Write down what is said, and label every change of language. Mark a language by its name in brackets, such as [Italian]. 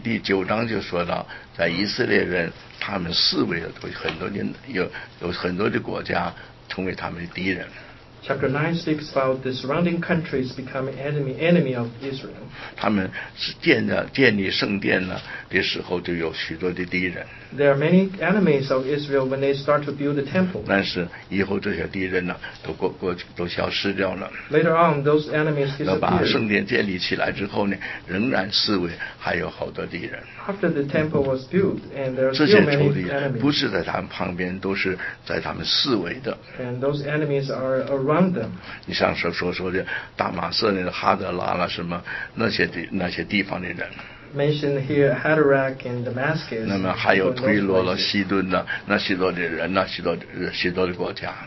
[Chinese] 第九章就说到，在以色列人他们四围有很多的有很多的国家成为他们的敌人。 [English] Chapter 9 speaks about the surrounding countries becoming enemy of Israel. [Chinese] 他们建立圣殿呢的时候就有许多的敌人。 [English] There are many enemies of Israel when they start to build the temple. [Chinese] 但是以后这些敌人呢都消失掉了。 [English] Later on, those enemies disappear. [Chinese] 把圣殿建立起来之后呢，仍然四围还有好多敌人。 [English] After the temple was built, and there are still many enemies. [Chinese] 这些仇敌不是在他们旁边，都是在他们四围的。 [English] And those enemies are around them. [Chinese] 你像说的大马色那个哈德拉啦什么那些地方的人。 [English] Mentioned here Hadarach and Damascus. [Chinese] 那么还有推罗了、西顿呢？那许多的人，那许多的国家。